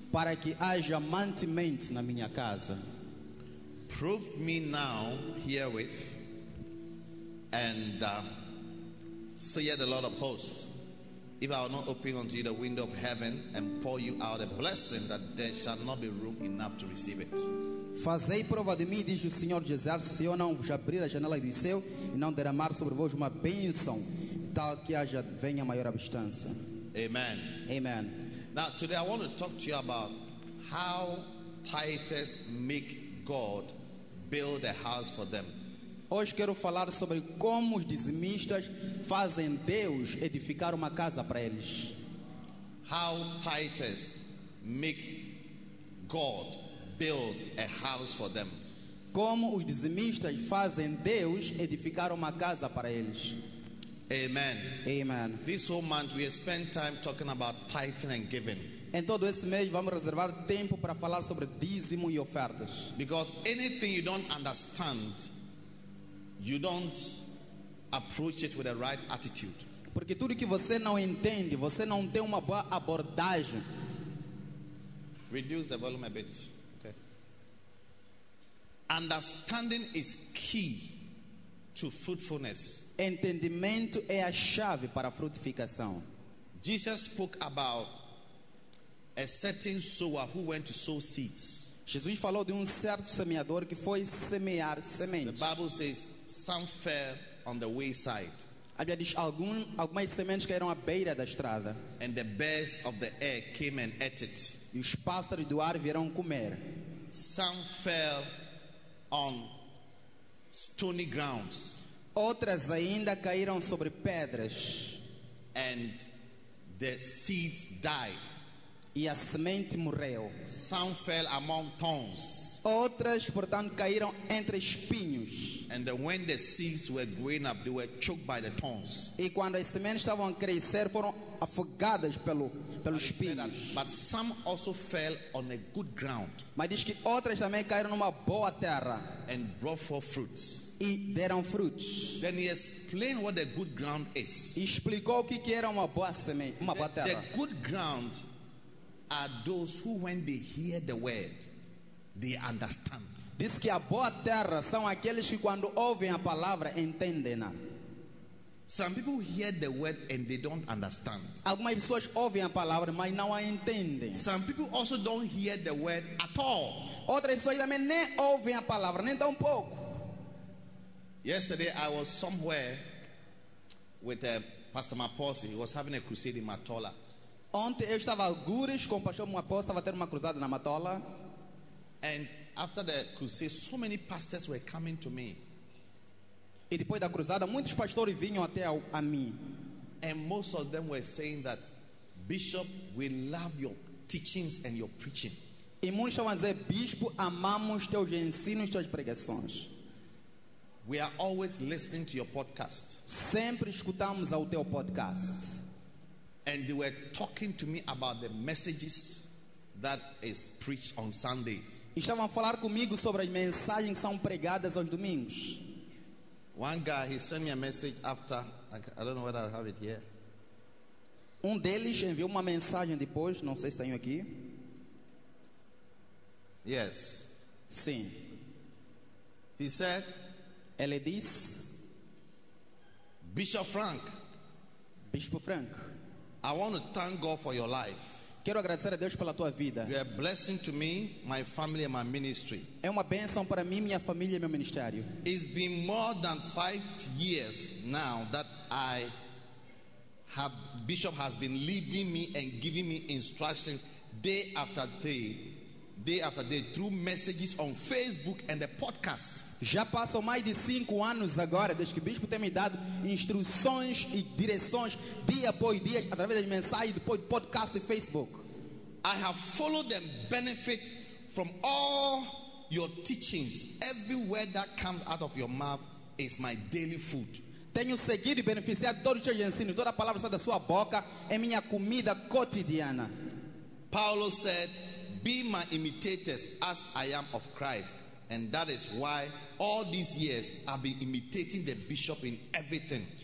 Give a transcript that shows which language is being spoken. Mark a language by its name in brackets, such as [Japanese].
[Portuguese] Para que haja mantimento na minha casa. [English] Prove me now herewith, and saith the Lord of hosts, if I will not open unto you the window of heaven and pour you out a blessing, that there shall not be room enough to receive it. [Portuguese] Fazei prova de mim, diz o Senhor dos Exércitos, se eu não vos abrir a janela do céu e não derramar sobre vós uma bênção, tal que haja venha maior abundância. [English] Amen. [Portuguese] Amen. [English] Now today I want to talk to you about how tithers make God build a house for them. [Portuguese] Hoje quero falar sobre como os dizimistas fazem Deus edificar uma casa para eles. [English] How tithers make God build a house for them. [Portuguese] Como os dizimistas fazem Deus edificar uma casa para eles. [English] Amen. [Portuguese] Amen. [English] This whole month we have spent time talking about tithing and giving. [Portuguese] Em todo esse mês vamos reservar tempo para falar sobre dízimo e ofertas. [English] Because anything you don't understand, you don't approach it with the right attitude. [Portuguese] Porque tudo que você não entende, você não tem uma boa abordagem. [English] Reduce the volume a bit. Okay. Understanding is key to fruitfulness. [Portuguese] Entendimento é a chave para a frutificação. [English] Jesus spoke about a certain sower who went to sow seeds. [Portuguese] Jesus falou de certo semeador que foi semear sementes. [English] The Bible says some fell on the wayside. [Portuguese] A Bíblia diz algumas sementes caíram à beira da estrada. [English] And the birds of the air came and ate it. [Portuguese] E os pássaros do ar vieram comer. [English] Some fell on stony grounds. [Portuguese] Outras ainda caíram sobre pedras. [English] And the seeds died. [Portuguese] E a semente morreu. [English] Some fell among thorns. [Portuguese] Outras, portanto, caíram entre espinhos. [English] And when the seeds were growing up, they were choked by the thorns. [Portuguese] E quando as sementes estavam a crescer, foram afogadas pelos espinhos. [English] But some also fell on a good ground. [Portuguese] Mas diz que outras também caíram numa boa terra. [English] And brought forth fruits. [Portuguese] E deram frutos. [English] Then he explained what the good ground is. [Portuguese] E explicou o que era uma boa semente, uma boa terra. [English] The good ground are those who, when they hear the word, they understand. [Portuguese] Diz que a boa terra são aqueles que quando ouvem a palavra entendem-na. [English] Some people hear the word and they don't understand. [Portuguese] Algumas pessoas ouvem a palavra, mas não a entendem. [English] Some people also don't hear the word at all. [Portuguese] Outras pessoas também nem ouvem a palavra, nem tão pouco. [English] Yesterday I was somewhere with Pastor Maposi. He was having a crusade in Matola. [Portuguese] Ontem eu estava algures com o Pastor Maposi, estava tendo uma cruzada na Matola. [English] And after the crusade, so many pastors were coming to me. [Portuguese] E depois da cruzada, muitos pastores vinham até a mim. [English] And most of them were saying that, Bishop, we love your teachings and your preaching. [Portuguese] E muitos estavam a dizer, Bispo, amamos teus ensinos, teus pregações. [English] We are always listening to your podcast. [Portuguese] Sempre escutamos ao teu podcast. [English] And they were talking to me about the messages that is preached on Sundays. [Portuguese] Estavam a falar comigo sobre as mensagens que são pregadas aos domingos. [English] One guy, he sent me a message after, I don't know whether I have it here. [Portuguese] Deles enviou uma mensagem depois, não sei se tenho aqui. [English] Yes. [Portuguese] Sim. [English] He said, [Portuguese] ele disse, [English] Bishop Frank. [Portuguese] Bispo Frank. [English] I want to thank God for your life. [Portuguese] Quero agradecer a Deus pela tua vida. [English] You are a blessing to me, my family, and my ministry. [Portuguese] É uma bênção para mim, minha família e meu ministério. [English] It's been more than 5 years now that I have Bishop has been leading me and giving me instructions day after day through messages on Facebook and the podcast. [Portuguese] Já passam mais de 5 anos agora desde que o Bispo tem me dado instruções e direções dia após dia através das mensagens do podcast e Facebook. [English] I have followed and benefit from all your teachings. Every word that comes out of your mouth is my daily food. [Portuguese] Tenho seguido e beneficiado todos os teus ensinos. Toda palavra sai da sua boca é minha comida cotidiana. [English] Paulo said, be my imitators as I am of Christ. And that is why all these years I've been imitating the bishop in everything.